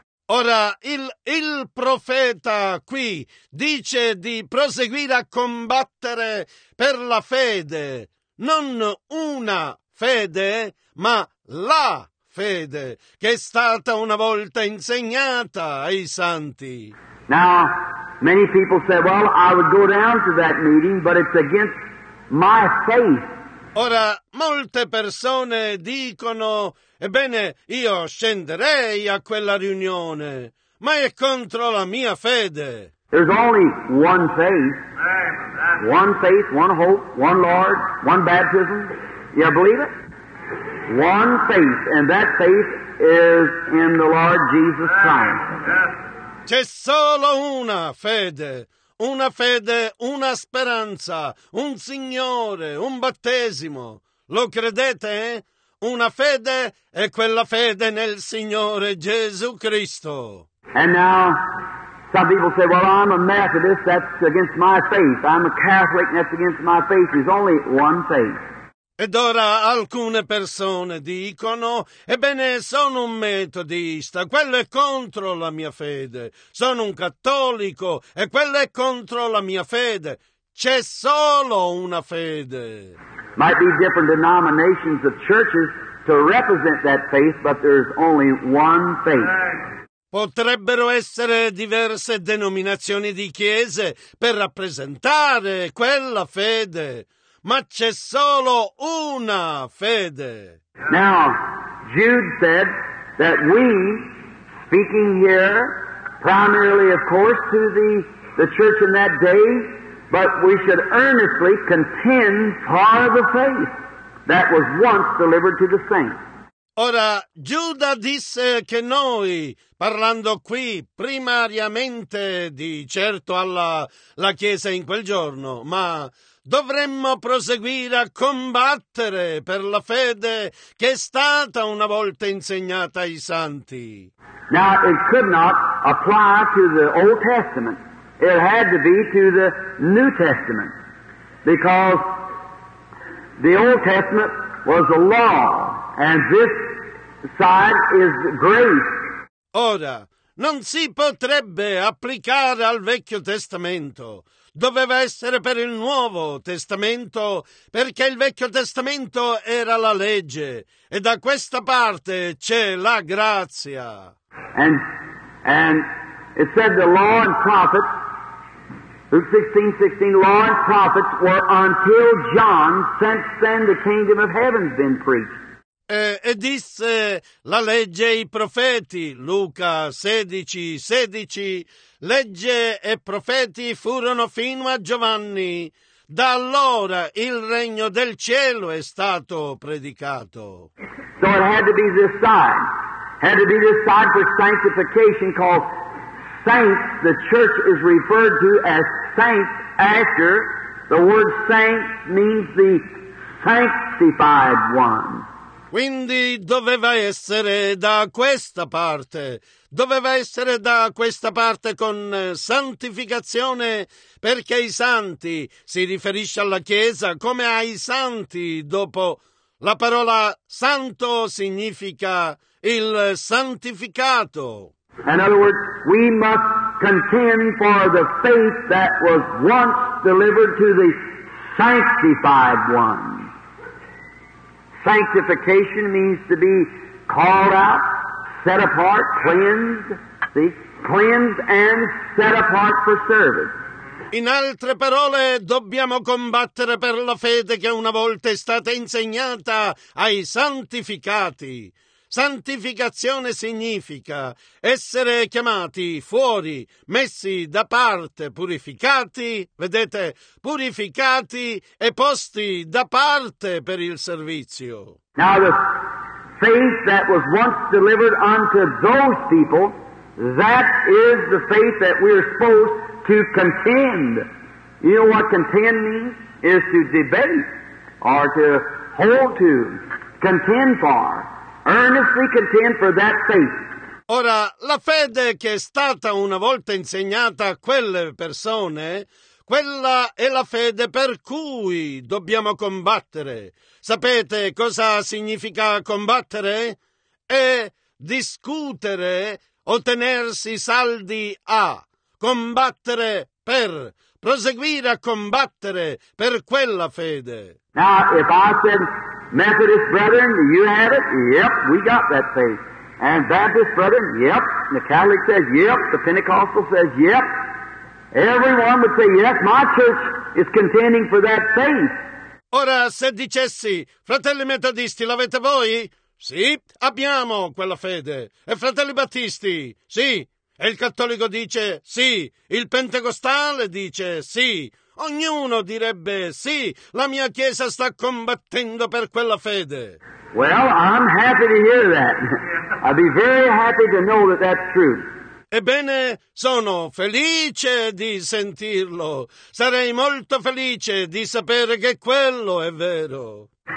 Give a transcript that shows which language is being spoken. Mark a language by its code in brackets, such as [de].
[it] Ora il profeta qui dice di proseguire a combattere per la fede, non una fede, ma la fede che è stata una volta insegnata ai santi. [en] Now, many people say, well, I would go down to that meeting, but it's against my faith. [it] Ora, molte persone dicono, ebbene, io scenderei a quella riunione, ma è contro la mia fede. [en] There's only one faith. One faith, one hope, one Lord, one baptism. You believe it? One faith, and that faith is in the Lord Jesus Christ. [it] C'è solo una fede. Una fede, una speranza, un Signore, un battesimo. Lo credete? Una fede è quella fede nel Signore Gesù Cristo. [en] And now some people say, well, I'm a Methodist, that's against my faith. I'm a Catholic, that's against my faith. There's only one faith. [it] Ed ora alcune persone dicono, ebbene sono un metodista, quello è contro la mia fede, sono un cattolico e quello è contro la mia fede, c'è solo una fede. [en] Might be different denominations of churches to represent that faith, but there's only one faith. [it] Potrebbero essere diverse denominazioni di chiese per rappresentare quella fede. Ma c'è solo una fede. [en] Now, Jude said that we, speaking here, primarily, of course, to the church in that day, but we should earnestly contend for the faith that was once delivered to the saints. [it] Ora, Giuda disse che noi, parlando qui primariamente di certo alla chiesa in quel giorno, ma dovremmo proseguire a combattere per la fede che è stata una volta insegnata ai santi. [en] Now it could not apply to the Old Testament. It had to be to the New Testament. Because the Old Testament was the law and this side is grace. [it] Ora, non si potrebbe applicare al Vecchio Testamento. Doveva essere per il Nuovo Testamento, perché il Vecchio Testamento era la legge, e da questa parte c'è la grazia. [en] And it said the law and prophets, Luke 16:16, law and prophets were until John, since then the kingdom of heaven's been preached. [it] E disse la legge e i profeti, Luca 16:16, legge e profeti furono fino a Giovanni. Da allora il regno del cielo è stato predicato. [en] So it had to be this side. Had to be this side for sanctification, called saints. The church is referred to as saints after. The word saint means the sanctified one. [it] Quindi doveva essere da questa parte. Doveva essere da questa parte con santificazione, perché i santi si riferisce alla Chiesa come ai santi dopo La parola santo significa il santificato. [en] In other words, we must contend for the faith that was once delivered to the sanctified one. Sanctification means to be called out, set apart, cleansed. See? Cleansed and set apart for service. [it] In altre parole, dobbiamo combattere per la fede che una volta è stata insegnata ai santificati. Santificazione significa essere chiamati fuori, messi da parte, purificati, vedete, purificati e posti da parte per il servizio. [en] Now the faith that was once delivered unto those people, that is the faith that we are supposed to contend. You know what contend means? Is to debate or to hold to, contend for. Earnestly contend for that faith. [it] Ora, la fede che è stata una volta insegnata a quelle persone, quella è la fede per cui dobbiamo combattere. Sapete cosa significa combattere? È discutere, ottenersi saldi a, combattere per, proseguire a combattere per quella fede. [en] Now, if I said, Methodist brethren, do you have it? Yep, we got that faith. And Baptist brethren, yep. And the Catholic says, yep. The Pentecostal says, yep. Everyone would say, yes, my church is contending for that faith. [it] Ora, se dicessi, fratelli metodisti, l'avete voi? Sì, abbiamo quella fede. E fratelli battisti? Sì. E il cattolico dice, sì. Il pentecostale dice, sì. Ognuno direbbe, sì, la mia Chiesa sta combattendo per quella fede. [en] Well, I'm happy to hear that. I'd be very happy to know that that's true. [it] Ebbene, sono felice di sentirlo. Sarei molto felice di sapere che quello è vero.